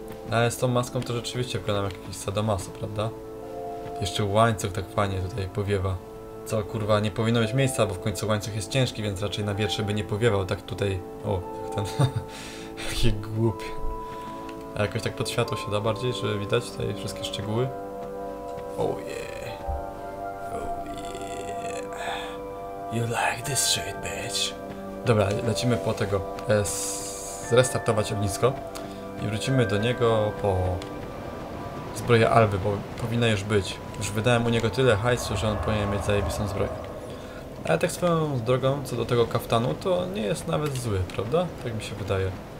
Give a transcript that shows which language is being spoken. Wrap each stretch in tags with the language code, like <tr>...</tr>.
<pl>Ale z tą maską to rzeczywiście wyglądam jak jakiś sadomaso, prawda? Jeszcze łańcuch tak fajnie tutaj powiewa. Co kurwa, nie powinno mieć miejsca, bo w końcu łańcuch jest ciężki, więc raczej na wietrze by nie powiewał tak tutaj. O, jak ten. Jaki głupi. A jakoś tak pod światło się da bardziej, żeby widać tutaj wszystkie szczegóły.</pl> <en>Oh yeah. Oh yeah. You like this shit, bitch.</en> <pl>Dobra, lecimy po tego. Zrestartować ognisko. I wrócimy do niego po zbroję Alwy, bo powinna już być. Już wydałem u niego tyle hajsu, że on powinien mieć zajebistą zbroję. Ale tak swoją drogą, co do tego kaftanu, to nie jest nawet zły, prawda? Tak mi się wydaje.</pl>